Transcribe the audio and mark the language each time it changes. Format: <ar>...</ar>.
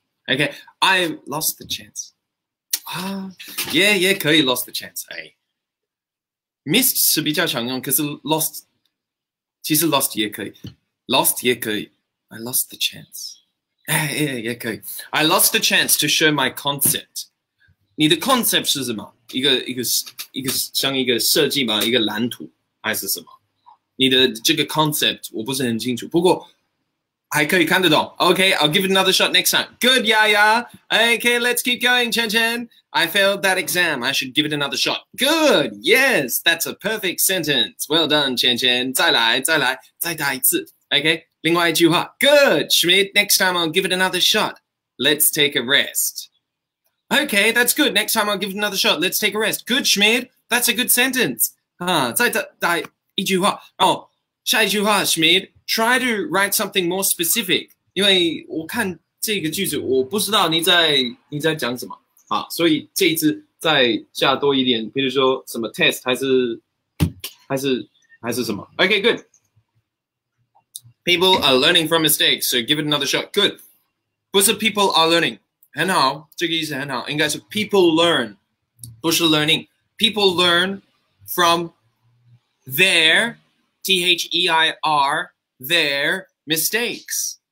<en>Okay, I lost the chance. Ah, yeah,</en> <zh>可以</zh> <en>lost the chance, 哎。</en> <zh>Missed 是比较常用，可是 lost, 其实 lost 也可以 ,lost 也可以。</zh> <en>I lost the chance. Yeah, okay. I lost the chance to show my concept.</en> <zh>你的 concept 是什么？一个像一个设计吗？一个蓝图还是什么？你的这个 concept 我不是很清楚。不过还可以看得懂。</zh> <en>OK, I'll give it another shot next time. Good, yeah, yeah. OK, let's keep going, Chen Chen. I failed that exam. I should give it another shot. Good, yes, that's a perfect sentence. Well done,</en> <zh>Chen Chen. 再来，再来，再打一次。OK, 另外一句话。</zh> <en>Good, Schmidt, next time I'll give it another shot. Let's take a rest. OK, that's good. Next time I'll give it another shot. Let's take a rest. Good, Schmidt, that's a good sentence.</en> <zh>再打一句话。Oh, 下一句话 ,Schmidt.</zh> <en>Try to write something more specific.</en> <zh>因为我看这个句子，我不知道你在讲什么啊，所以这一次再加多一点，比如说什么 test 还是什么。</zh> <en>Okay, good. People are learning from mistakes, so give it another shot.</en> <zh>Good. 不是</zh> <en>people are learning.</en> <zh>很好，这个意思很好，应该是</zh> <en>people learn,</en> <zh>不是 learning.</zh> <en>People learn from their. Their mistakes.</en>